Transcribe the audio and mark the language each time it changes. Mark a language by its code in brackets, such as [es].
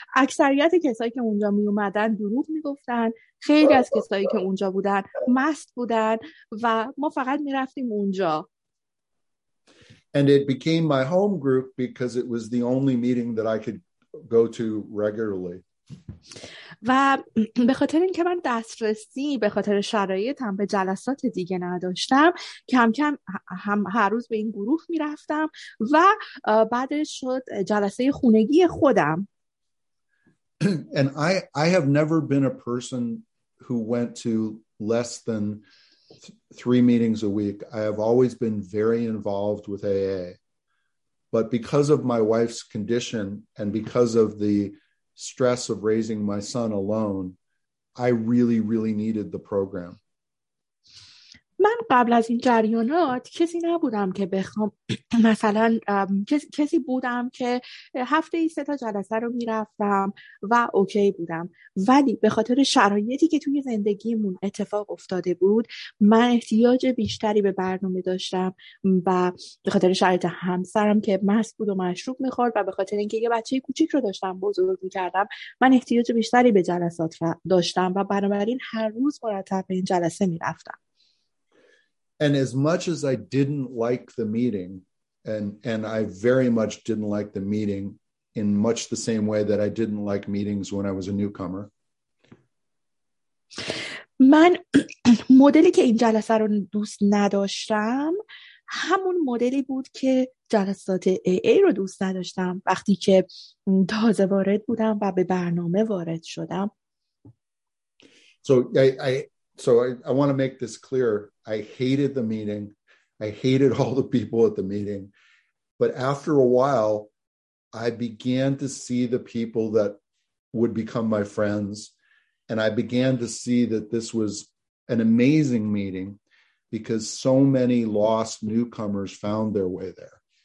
[fa] اکثریت کسایی که اونجا می اومدن دروغ می‌گفتن، خیلی از کسایی که اونجا بودن مست بودن، و ما فقط می‌رفتیم اونجا. [en] And it became my home group because it was the only meeting that I could go to regularly. [fa] و به خاطر اینکه من دسترسی به خاطر شرایطم به جلسات دیگه نداشتم، کم کم هم هر روز به این گروه میرفتم، و بعدش شد جلسه خونگی خودم. [en] And I have never been a person who went to less than 3 meetings a week. I have always been very involved with AA. But because of my wife's condition and because of the stress of raising my son alone, I really, really needed the program. [fa] من قبل از این جریانات کسی نبودم که بخوام مثلا کسی بودم که هفته ای 3 تا جلسه رو میرفتم و اوکی بودم، ولی به خاطر شرایطی که توی زندگیمون اتفاق افتاده بود، من احتیاج بیشتری به برنامه داشتم، و به خاطر شرایط همسرم که مست بود و مشروب میخورد، و به خاطر اینکه یه بچه کوچیک رو داشتم بزرگ میکردم، من احتیاج بیشتری به جلسات داشتم، و بنابراین هر روز مرتب به این جلسه میرفتم. [en] And as much as I didn't like the meeting, and I very much didn't like the meeting in much the same way that I didn't like meetings when I was a newcomer. [fa] من مدلی که این جلسه رو دوست نداشتم همون مدلی بود که جلسات AA رو دوست نداشتم وقتی که تازه وارد بودم و به برنامه وارد شدم. [en] So I want to make this clear. I hated the meeting. I hated all the people at the meeting. But after a while, I began to see the people that would become my friends. And I began to see that this was an amazing meeting because so many lost newcomers found their way there.